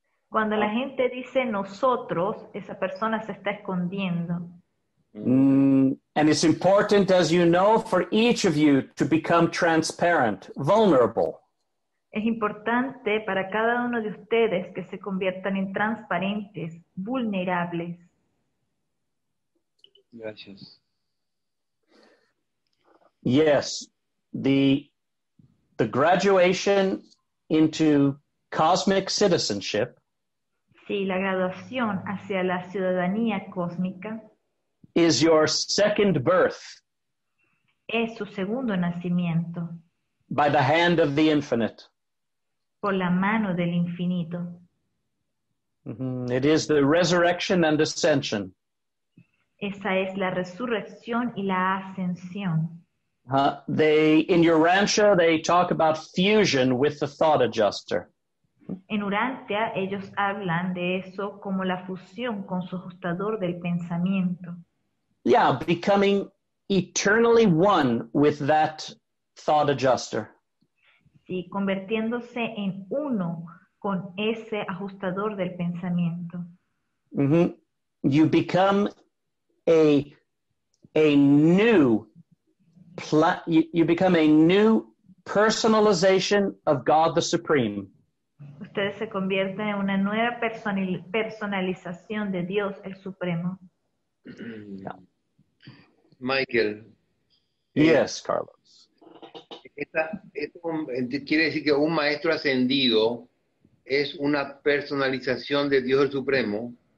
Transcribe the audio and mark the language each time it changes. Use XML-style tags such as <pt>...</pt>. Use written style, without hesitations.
<es>Cuando la gente dice nosotros, esa persona se está escondiendo.</es> <en>And it's important, as you know, for each of you to become transparent, vulnerable.</en> <es>Es importante para cada uno de ustedes que se conviertan en transparentes, vulnerables. Gracias.</es> <en>Yes, the graduation into cosmic citizenship.</en> <es>Sí, la graduación hacia la ciudadanía cósmica.</es> <en>Is your second birth.</en> <es>Es su segundo nacimiento.</es> <en>By the hand of the infinite.</en> <es>Por la mano del infinito.</es> <en>It is the resurrection and ascension.</en> <es>Esa es la resurrección y la ascensión.</es> <en>In your rancho, they talk about fusion with the thought adjuster.</en> <es>En Urantia, ellos hablan de eso como la fusión con su ajustador del pensamiento.</es> <en>Yeah, becoming eternally one with that thought adjuster.</en> <es>Sí, convirtiéndose en uno con ese ajustador del pensamiento.</es> <en>You become a new. You become a new personalization of God the Supreme.</en> <es>Ustedes se convierten en una nueva personalización de Dios el Supremo.</es> <en>Michael. Yes, Carlos.</en> <es>Esto quiere decir que un maestro ascendido es una personalización de Dios el Supremo.</es>